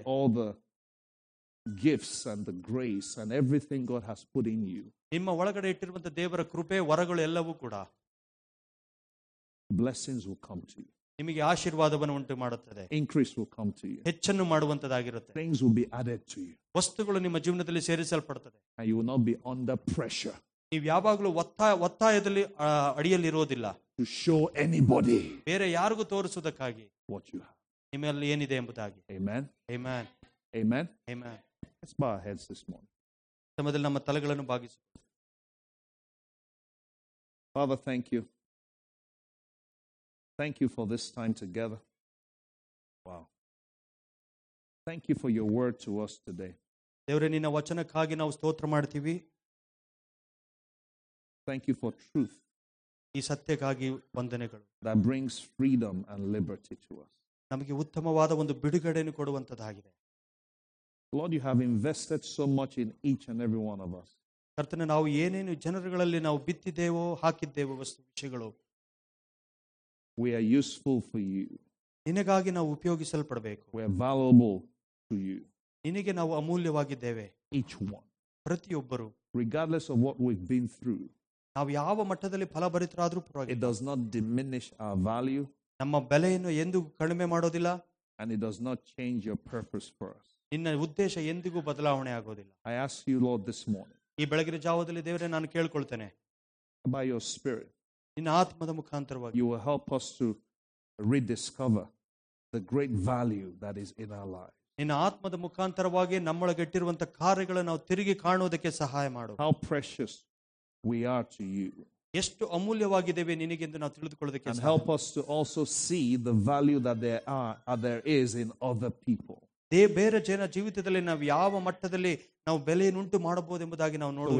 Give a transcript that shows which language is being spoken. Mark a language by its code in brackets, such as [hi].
[en] with all the gifts and the grace and everything God has put in you, [kn] ನಿಮ್ಮ ಒಳಗಡೆ ಇಟ್ಟಿರುವಂತಹ ದೇವರ ಕೃಪೆ ವರಗಳು ಎಲ್ಲವೂ ಕೂಡ, [en] blessings will come to you. [kn] ನಿಮಗೆ ಆಶೀರ್ವಾದವನ್ನು ಉಂಟು ಮಾಡುತ್ತದೆ. [en] Increase will come to you. [kn] ಹೆಚ್ಚನ್ನು ಮಾಡುವಂತದಾಗಿರುತ್ತೆ. [en] Things will be added to you. [kn] ವಸ್ತುಗಳು ನಿಮ್ಮ ಜೀವನದಲ್ಲಿ ಸೇರಿಸಲ್ಪಡುತ್ತದೆ. [en] And you will not be under pressure. [kn] ನೀವು ಯಾವಾಗಲೂ ಒತ್ತಾಯದಲ್ಲಿ ಅಡಿಯಲ್ಲಿ ಇರೋದಿಲ್ಲ. [en] To show anybody. [kn] ಬೇರೆ ಯಾರಿಗೂ ತೋರಿಸುವುದಕ್ಕಾಗಿ. [en] What you have. [kn] ನಿಮ್ಮಲ್ಲಿ ಏನಿದೆ ಎಂಬುದಾಗಿ. [en] Amen. Amen. Amen. Amen. Let's bow our heads this morning. [kn] ಸಮದಲ್ಲಿ ನಮ್ಮ ತಲೆಗಳನ್ನು ಬಾಗಿಸು. [en] Father, thank you. Thank you for this time together. Wow. Thank you for your word to us today. [kn] ದೇವರೇ ನಿನ್ನ ವಚನಕ್ಕಾಗಿ ನಾವು ಸ್ತೋತ್ರ ಮಾಡ್ತೀವಿ. [en] Thank you for truth. [kn] ಈ ಸತ್ಯಕ್ಕಾಗಿ ವಂದನೆಗಳು. [en] That brings freedom and liberty to us. [kn] ನಮಗೆ ಉತ್ತಮವಾದ ಒಂದು ಬಿಡುಗಡೆಯನ್ನು ಕೊಡುವಂತದಾಗಿದೆ. [en] Lord, you have invested so much in each and every one of us. [kn] ಕರ್ತನೆ ನಾವು ಏನೇನು ಜನರುಗಳಲ್ಲಿ ನಾವು ಬಿತ್ತಿದ್ದೇವೋ ಹಾಕಿದ್ದೇವೋ ವಸ್ತು ವಿಷಯಗಳು. [en] We are useful for you. [kn] ನಿನಗಾಗಿ ನಾವು ಉಪಯೋಗಿಸಲ್ಪಡಬೇಕು. [en] We are valuable to you. [kn] ನಿನಗೆ ನಾವು ಅಮೂಲ್ಯವಾಗಿದ್ದೇವೆ. [en] Each one. [kn] ಪ್ರತಿಯೊಬ್ಬರು. [en] Regardless of what we've been through. [kn] ನಾವು ಯಾವ ಮಟ್ಟದಲ್ಲಿ ಫಲಭರಿತರಾದರೂ ಪರವಾಗಿಲ್ಲ. [en] It does not diminish our value. [kn] ನಮ್ಮ ಬೆಲೆಯನ್ನು ಎಂದಿಗೂ ಕಡಿಮೆ ಮಾಡೋದಿಲ್ಲ. [en] And it does not change your purpose for us. [kn] ನಿನ್ನ ಉದ್ದೇಶ ಎಂದಿಗೂ ಬದಲಾವಣೆ ಆಗೋದಿಲ್ಲ. [en] I ask you, Lord, this morning. [kn] ಈ ಬೆಳಗಿನ ಜಾವದಲ್ಲಿ ದೇವರೇ ನಾನು ಕೇಳಿಕೊಳ್ತೇನೆ. [en] By your spirit. [kn] ನಿನ್ನ ಆತ್ಮದ ಮುಖಾಂತರವಾಗಿ. [en] You will help us to rediscover the great value that is in our lives. [kn] ನಿನ್ನ ಆತ್ಮದ ಮುಖಾಂತರವಾಗಿ ನಮ್ಮೊಳಗೆ ಇಟ್ಟಿರುವಂತಹ ಕಾರ್ಯಗಳನ್ನು ನಾವು ತಿರುಗಿ ಕಾಣುವುದಕ್ಕೆ ಸಹಾಯ ಮಾಡು. [en] How precious we are to you. [kn] ಎಷ್ಟು ಅಮೂಲ್ಯವಾಗಿದ್ದೇವೆ ನಿನಗೆ ಎಂದು ನಾವು ತಿಳಿದುಕೊಳ್ಳೋದಕ್ಕೆ. [en] And help us to also see the value that there is in other people. [kn] ಬೇರೆ ಜನ ಜೀವಿತದಲ್ಲಿ ನಾವು ಯಾವ ಮಟ್ಟದಲ್ಲಿ ನಾವು ಬೆಲೆಯನ್ನು ಉಂಟು ಮಾಡಬಹುದು ಎಂಬುದಾಗಿ ನಾವು